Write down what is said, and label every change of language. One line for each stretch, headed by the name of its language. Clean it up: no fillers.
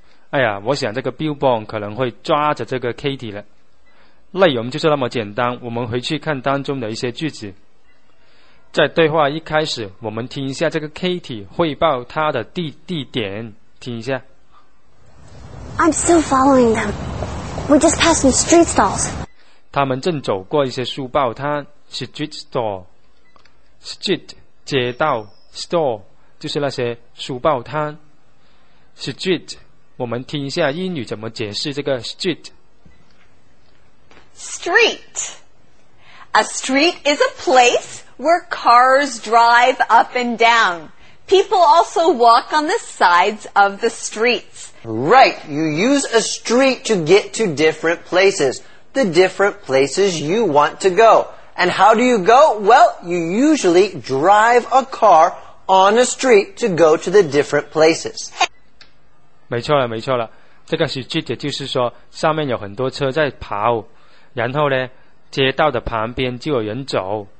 Chinese: 哎呀，我想这个 Bill Bond 可能会抓着这个 Katie 了。内容就是那么简单，我们回去看当中的一些句子。在对话一开始，我们听一下这个 Katie 汇报她的地点，听一下。
English: I'm still following them. We just passed some street stalls.
Chinese: 他们正走过一些书报摊 ，street store, street 街道 ，store 就是那些书报摊。 Street， 我们听一下英语怎么解释这个 street。
English: Street, a street is a place. Where cars drive up and down. People also walk on the sides of the streets. Right, you use a street to get to different places, the different places you want to go. And how do you go? Well, you usually drive a car on a street to go to the different places.
Chinese: 没错了，这个 street 就是说上面有很多车在跑，然后呢，街道的旁边就有人走。